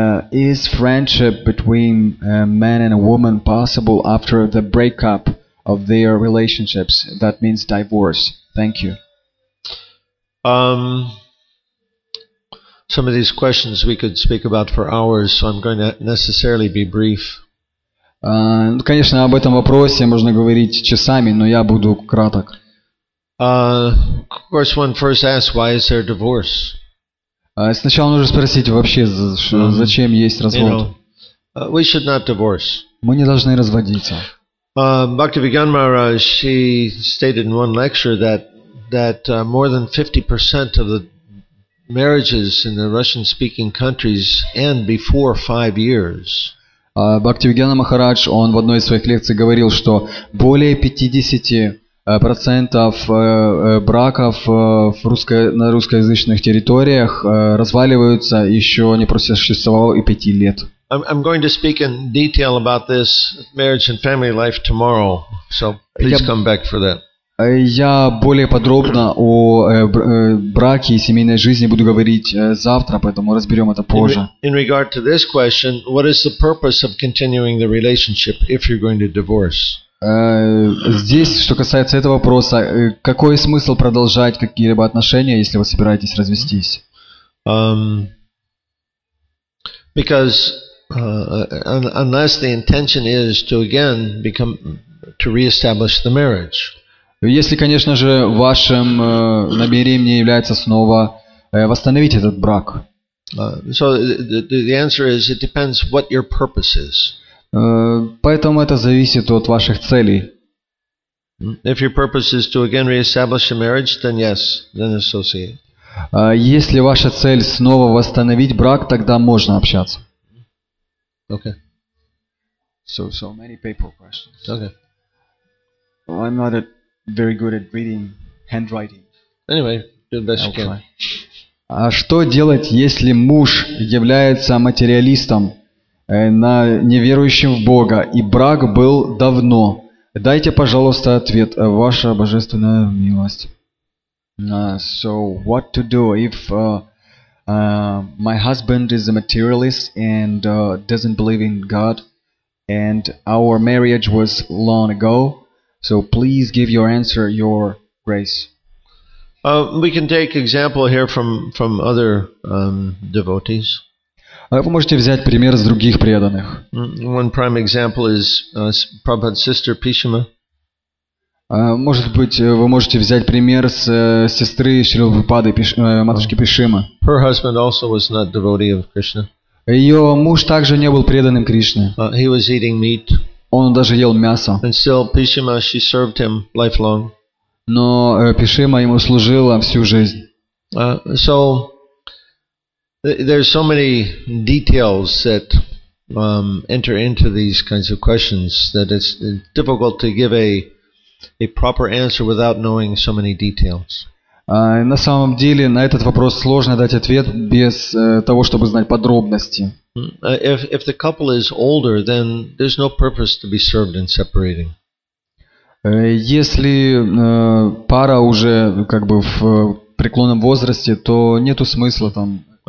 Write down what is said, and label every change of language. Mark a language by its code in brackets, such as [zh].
[en] Is friendship between a man and a woman possible after the breakup of their relationships? That means divorce. Thank you. Some of these questions we could speak about for hours, so I'm going to necessarily be brief. [ru] Конечно, об этом вопросе можно говорить часами, но я буду краток. [en] Of course, one first asks, why is there divorce? [ru] Сначала нужно спросить вообще, зачем есть развод. [en] You know, we should not divorce. [ru] Мы не должны разводиться. [en] Bhaktivedanta Maharaj, she stated in one lecture that more than 50% of the marriages in the Russian-speaking countries end before 5 years. [ru] Бхактивиданта Махарадж, он в одной из своих лекций говорил, что более 50% браков на русскоязычных территориях разваливаются еще не просуществовало и 5 лет. [en] I'm going to speak in detail about this marriage and family life tomorrow, so please come back for that. [ru] Я более подробно о браке и семейной жизни буду говорить завтра, поэтому разберем это позже. [en] In regard to this question, what is the purpose of continuing the relationship if you're going to divorce? [ru] Здесь, что касается этого вопроса, какой смысл продолжать какие-либо отношения, если вы собираетесь развестись? [en] Because unless the intention is to again become to reestablish the marriage. [ru] Если, конечно же, вашим намерением является снова восстановить этот брак. [en] So the answer is it depends what your purpose is. [ru] Поэтому это зависит от ваших целей. [en] If your purpose is to again reestablish a marriage, then yes, then associate. [ru] Если ваша цель снова восстановить брак, тогда можно общаться. [en] Okay. So many paper questions. Okay. Well, I'm not very good at reading handwriting. Anyway, do the best you can. [ru] А что делать, если муж является материалистом? На неверующем в Бога, и брак был давно. Дайте, пожалуйста, ответ. Ваша божественная милость. [en] So what to do if my husband is a materialist and doesn't believe in God, and our marriage was long ago? So please give your answer, your grace. We can take example here from other devotees. [ru] Вы можете взять пример с других преданных. [en] One prime example is Prabhupada's sister Pishima. [ru] Может быть, вы можете взять пример с сестры Шрилы Прабхупады, матушки Пишимы. [en] Her husband also was not devotee of Krishna. [ru] Ее муж также не был преданным Кришне. [en] He was eating meat. [ru] Он даже ел мясо. [en] And still, Pishima, she served him lifelong. [ru] Но Пишима ему служила всю жизнь. [en] So there's so many details that enter into these kinds of questions that it's difficult to give a proper answer without knowing so many details. [ru] На самом деле, на этот вопрос сложно дать ответ без того, чтобы знать подробности. [en] If the couple is older, then there's no purpose to be served in separating. [ru] Если пара уже как бы в преклонном возрасте, то нету смысла там.